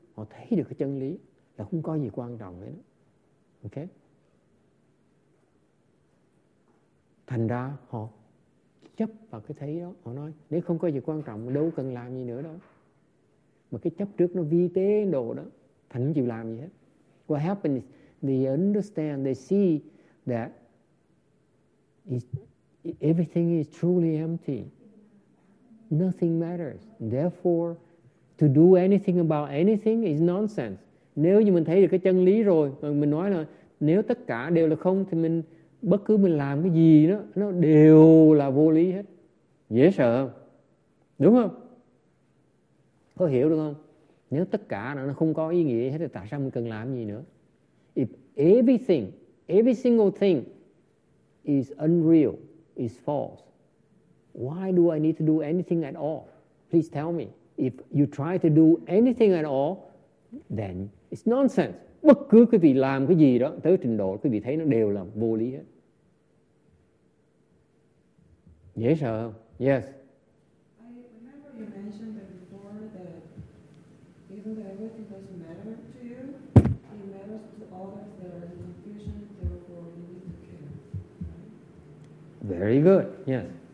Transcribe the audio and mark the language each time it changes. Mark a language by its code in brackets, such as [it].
[vi] Họ thấy được cái chân lý là không có gì quan trọng hết. Okay? Thành ra họ chấp vào cái thấy đó. Họ nói nếu không có gì quan trọng đâu cần làm gì nữa đâu. Mà cái chấp trước nó vi tế đồ đó. Thành không chịu làm gì hết. [en] What happened is they understand, they see that everything is truly empty. Nothing matters. Therefore, to do anything about anything is nonsense. [vi] Nếu như mình thấy được cái chân lý rồi, mình nói là nếu tất cả đều là không thì mình bất cứ mình làm cái gì đó, nó đều là vô lý hết. Dễ sợ không? Đúng không? Có hiểu được không? Nếu tất cả nó không có ý nghĩa hết thì tại sao mình cần làm gì nữa? [en] If everything, every single thing is unreal, is false. Why do I need to do anything at all? Please tell me. If you try to do anything at all, then it's nonsense. [vi] Bất cứ quý vị làm cái gì đó, tới trình độ quý vị thấy nó đều là vô lý hết. Dễ sợ không? [en] Yes. I remember you mentioned that before that even though everything doesn't matter to you, it matters to others that are in confusion, therefore you need to care. Very good, yes.